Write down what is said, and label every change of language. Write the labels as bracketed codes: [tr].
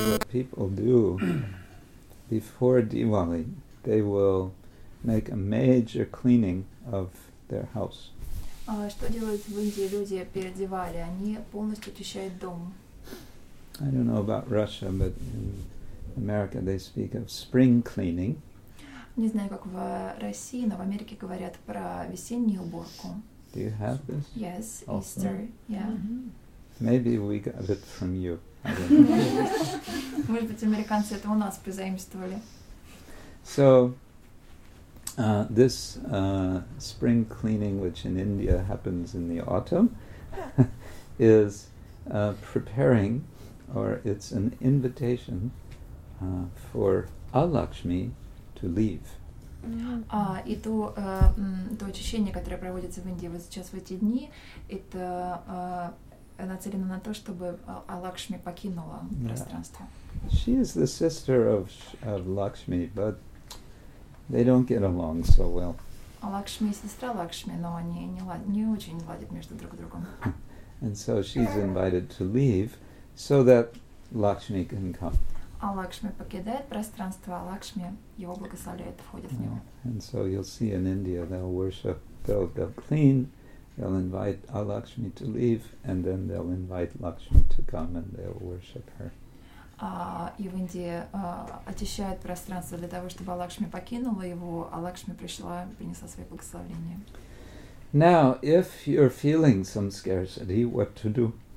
[en] People do before Diwali, they will make a major cleaning of their house. [ru] Что делают в Индии люди перед Дивали? Они полностью очищают дом. [en] I don't know about Russia, but in America they speak of spring cleaning. [ru] Не знаю, как в России, но в Америке говорят про весеннюю уборку. [en] Do you have this? Yes, also? Easter. Yeah. Mm-hmm. Maybe we got it from you. [ru] Может быть, американцы это у нас позаимствовали. [en] So, this spring cleaning, which in India happens in the autumn, is preparing, or it's an invitation for Alakshmi to leave. [ru] И то, то очищение, которое проводится в Индии вот сейчас в эти дни, это нацелена на то, чтобы Алакшми покинула пространство. [en] She is the sister of Lakshmi, but they don't get along so well. [ru] Лакшми и сестра Лакшми, но они не очень ладят между друг другом. [en] And so she's invited to leave so that Lakshmi can come. [ru] А Лакшми покидает пространство, а Лакшми его благословляет, входит в него. [en] And so you'll see in India they'll worship, they'll clean, they'll invite Lakshmi to leave, and then they'll invite Lakshmi to come and they'll worship her. [ru] И в Индии очищают пространство для того, чтобы Лакшми покинула его, а Лакшми пришла, принесла свои благословения. [en] Now, if you're feeling some scarcity, what to do?